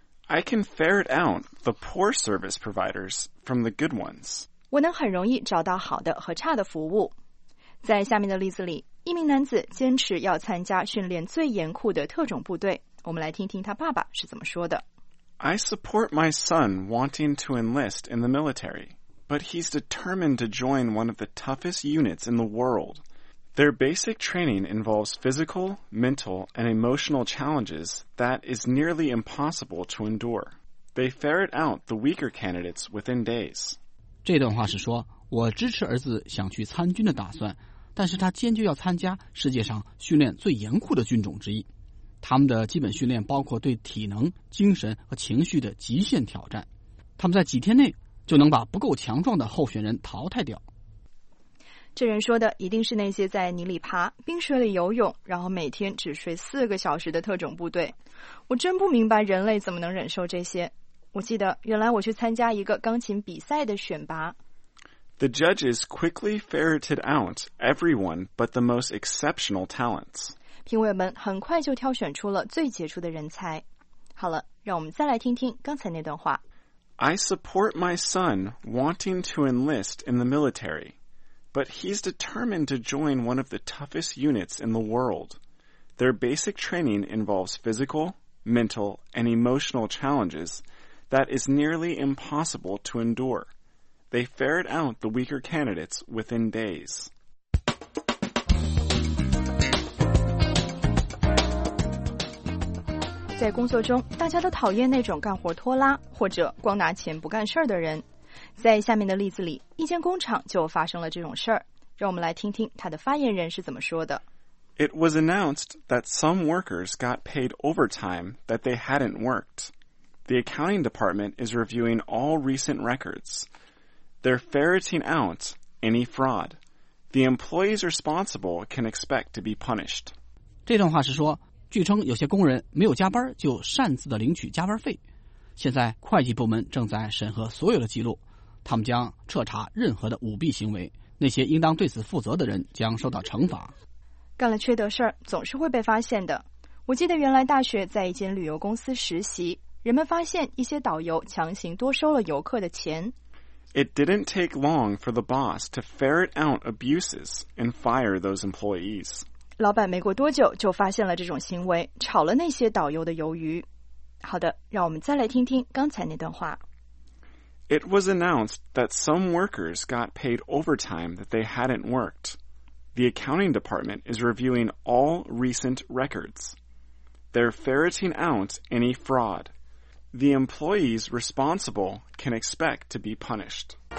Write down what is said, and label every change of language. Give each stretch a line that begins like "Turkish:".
English: ，I can ferret out the poor service providers from the good ones。
Chinese: 我能很容易找到好的和差的服务。在下面的例子里，一名男子坚持要参加训练最严酷的特种部队。我们来听听他爸爸是怎么说的。
English: I support my son wanting to enlist in the military, but he's determined to join one of the toughest units in the world. Their basic training involves physical, mental, and emotional challenges that is nearly impossible to endure. They ferret out the weaker candidates within days.
Chinese: 这段话是说，我支持儿子想去参军的打算，但是他坚决要参加世界上训练最严酷的军种之一。他们的基本训练包括对体能、精神和情绪的极限挑战。他们在几天内就能把不够强壮的候选人淘汰掉。这人说的一定是那些在泥里爬、冰水里游泳，然后每天只睡四个小时的特种部队。我真不明白人类怎么能忍受这些。我记得原来我去参加一个钢琴比赛的选拔。
English: The judges quickly ferreted out everyone but the most exceptional talents.
Chinese: 评委们很快就挑选出了最杰出的人才。好了，让我们再来听听刚才那段话。
English: I support my son wanting to enlist in the military, but he's determined to join one of the toughest units in the world. Their basic training involves physical, mental, and emotional challenges that is nearly impossible to endure. They ferret out the weaker candidates within days.
Chinese: 在工作中，大家都讨厌那种干活拖拉或者光拿钱不干事儿的人。在下面的例子里，一间工厂就发生了这种事儿。让我们来听听他的发言人是怎么说的。
English: It was announced that some workers got paid overtime that they hadn't worked. The accounting department is reviewing all recent records. They're ferreting out any fraud. The employees responsible can expect to be punished.
Chinese: 这段话是说，据称有些工人没有加班就擅自的领取加班费，现在会计部门正在审核所有的记录，他们将彻查任何的舞弊行为，那些应当对此负责的人将受到惩罚。干了缺德事儿总是会被发现的。我记得原来大学在一间旅游公司实习，人们发现一些导游强行多收了游客的钱。
English: It didn't take long for the boss to ferret out abuses and fire those employees.
Chinese: 老板没过多久就发现了这种行为，炒了那些导游的鱿鱼。好的，让我们再来听听刚才那段话。
English: It was announced that some workers got paid overtime that they hadn't worked. The accounting department is reviewing all recent records. They're ferreting out any fraud. The employees responsible can expect to be punished.